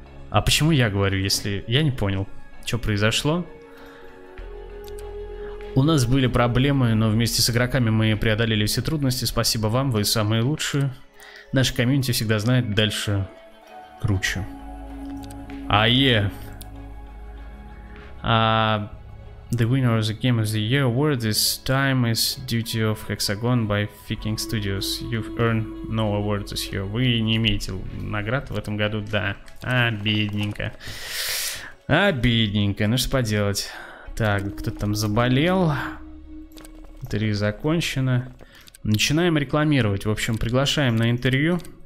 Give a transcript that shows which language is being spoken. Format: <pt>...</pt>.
<ru>А почему я говорю, если... Я не понял, что произошло. У нас были проблемы, но вместе с игроками мы преодолели все трудности. Спасибо вам, вы самые лучшие. Наша комьюнити всегда знает дальше круче. Ае.</ru> <en>The winner of the Game of the Year award this time is Duty of Hexagon by Viking Studios. You've earned no award this year.</en> <ru>Вы не имеете наград в этом году, да. Обидненько. Обидненько, ну что поделать. Так, кто-то там заболел. Интервью закончено. Начинаем рекламировать. В общем, приглашаем на интервью.</ru>